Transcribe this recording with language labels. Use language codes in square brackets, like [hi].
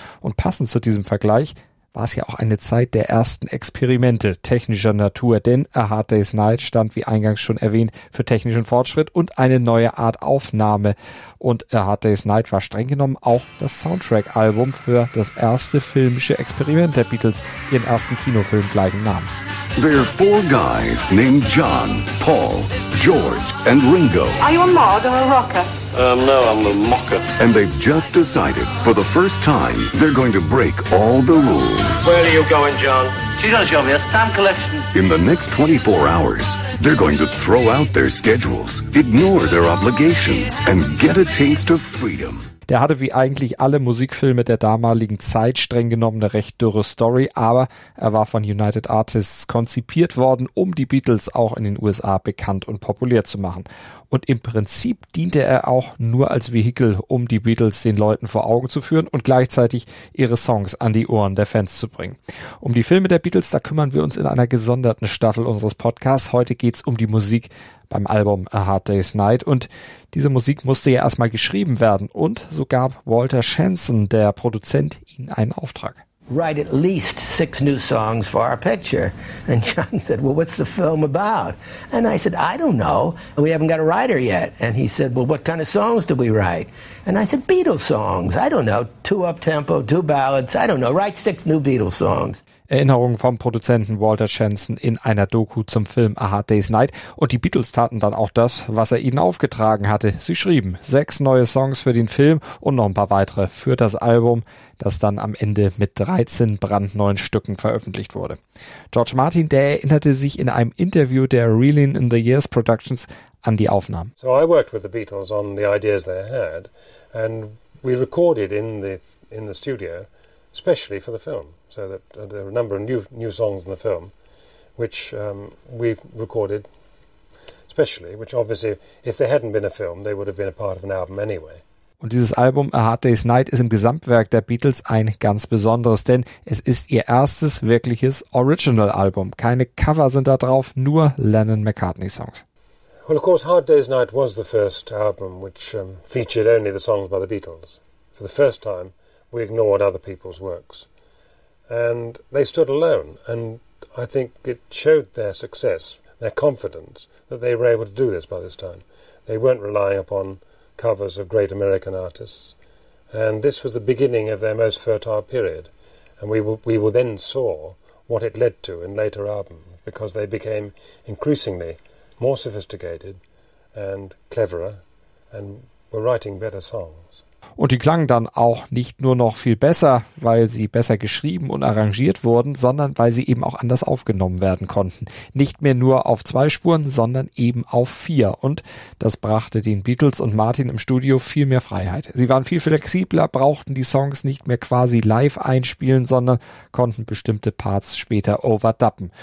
[de] Und passend zu diesem Vergleich war es ja auch eine Zeit der ersten Experimente technischer Natur, denn A Hard Day's Night stand, wie eingangs schon erwähnt, für technischen Fortschritt und eine neue Art Aufnahme. Und A Hard Day's Night war streng genommen auch das Soundtrack-Album für das erste filmische Experiment der Beatles, ihren ersten Kinofilm gleichen Namens. [en] There are four guys named John, Paul, George and Ringo. Are you a mod or a rocker? No, I'm a mocker. And they've just decided, for the first time, they're going to break all the rules. Where are you going, John? She does show me a stamp collection. In the next 24 hours, they're going to throw out their schedules, ignore their obligations, and get a taste of freedom. [de] Der hatte wie eigentlich alle Musikfilme der damaligen Zeit streng genommen eine recht dürre Story, aber er war von United Artists konzipiert worden, um die Beatles auch in den USA bekannt und populär zu machen. Und im Prinzip diente er auch nur als Vehikel, um die Beatles den Leuten vor Augen zu führen und gleichzeitig ihre Songs an die Ohren der Fans zu bringen. Um die Filme der Beatles, da kümmern wir uns in einer gesonderten Staffel unseres Podcasts. Heute geht's um die Musik beim Album A Hard Day's Night. Und diese Musik musste ja erstmal geschrieben werden. Und so gab Walter Shenson, der Produzent, ihnen einen Auftrag. [en] Write at least 6 new songs for our picture. And John said, well, what's the film about? And I said, I don't know. We haven't got a writer yet. And he said, well, what kind of songs do we write? And I said, Beatles songs. I don't know. 2 up-tempo, 2 ballads. I don't know. Write 6 new Beatles songs. [de] Erinnerungen vom Produzenten Walter Shenson in einer Doku zum Film A Hard Day's Night. Und die Beatles taten dann auch das, was er ihnen aufgetragen hatte. Sie schrieben 6 neue Songs für den Film und noch ein paar weitere für das Album, das dann am Ende mit 13 brandneuen Stücken veröffentlicht wurde. George Martin, der erinnerte sich in einem Interview der Reeling in the Years Productions an die Aufnahmen. [en] So I worked with the Beatles on the ideas they had and we recorded in the studio. Especially for the film, so that there are a number of new songs in the film, which we recorded especially, which obviously, if there hadn't been a film, they would have been a part of an album anyway. [de] Und dieses Album A Hard Day's Night ist im Gesamtwerk der Beatles ein ganz besonderes, denn es ist ihr erstes wirkliches Original-Album. Keine Cover sind da drauf, nur Lennon-McCartney-Songs. [en] Well, of course, Hard Day's Night was the first album which featured only the songs by the Beatles. For the first time, we ignored other people's works. And they stood alone. And I think it showed their success, their confidence, that they were able to do this by this time. They weren't relying upon covers of great American artists. And this was the beginning of their most fertile period. And we then saw what it led to in later albums, because they became increasingly more sophisticated and cleverer and were writing better songs. [de] Und die klangen dann auch nicht nur noch viel besser, weil sie besser geschrieben und arrangiert wurden, sondern weil sie eben auch anders aufgenommen werden konnten. Nicht mehr nur auf 2 Spuren, sondern eben auf 4. Und das brachte den Beatles und Martin im Studio viel mehr Freiheit. Sie waren viel flexibler, brauchten die Songs nicht mehr quasi live einspielen, sondern konnten bestimmte Parts später overdubben.